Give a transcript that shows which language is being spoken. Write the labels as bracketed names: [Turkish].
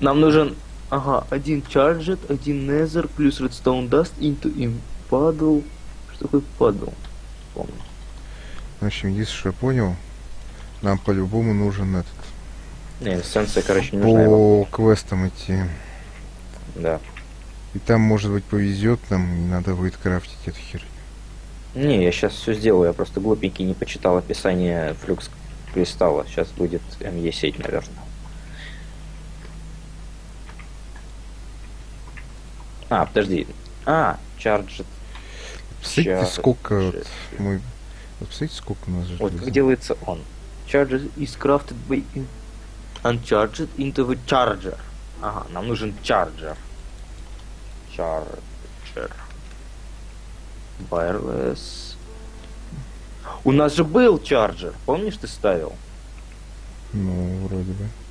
[Russian] Нам нужен, ага, один charged, один nether, плюс redstone dust, [English] into a puzzle. [Russian] Что такое puzzle? Помню. В общем, единственное, что я понял, нам по-любому нужен этот... Не, эссенция, короче, не по нужна. По квестам идти. Да. И там, может быть, повезет нам, не надо будет крафтить эту херню. Не, я сейчас все сделаю, я просто глупенький не почитал описание флюкс кристалла. Сейчас будет ME сеть, наверное. А, подожди. А, charged. Посмотрите, сколько вот мой. Вот посмотрите, сколько у нас же. Вот как делается он. [English] Charged is crafted by uncharged into the charger. [Russian] Ага, нам нужен charger. [English] Charger. Wireless. [Russian] У нас же был чарджер, помнишь, ты ставил? Ну, вроде бы.